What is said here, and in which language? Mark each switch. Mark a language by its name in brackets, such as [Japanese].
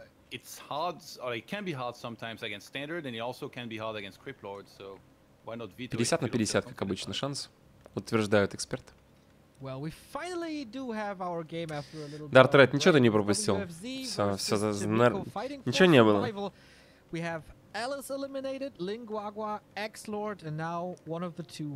[English] It's hard, or it can be hard sometimes against standard, and it also can be hard against Crypt Lord, so why not veto? [Russian] 50 на 50, как обычно, шанс, утверждают эксперты. [English] Well, we finally do have our game after a little bit. [Russian] Дарт Рэд, ничего ты не пропустил? Все, ничего не было. [English] We have Alice eliminated, Lingwagwa, X-Lord, and now one of the two.